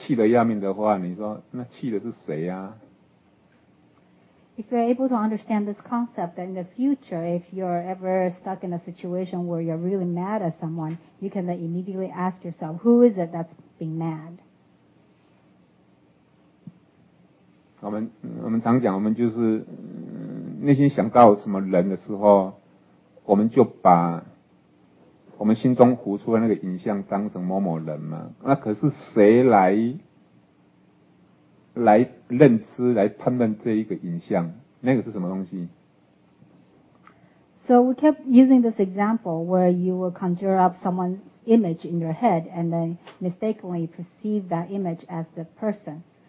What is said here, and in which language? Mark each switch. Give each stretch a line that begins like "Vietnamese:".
Chinese: 这个如果你懂以后,以后你想到什么人气得要命的话,你说,那气的是谁啊?
English: If you're able to understand this concept, then in the future, if you're ever stuck in a situation where you're really mad at someone, you can then immediately ask yourself, who is it that's being mad?
Chinese: 我们常讲,我们就是,内心想到什么人的时候, 我们就把我们心中浮出的那个影像当成某某人嘛，那可是谁来认知来判断这一个影像，那个是什么东西？
English: So we kept using this example where you will conjure up someone's image in your head and then mistakenly perceive that image as the person.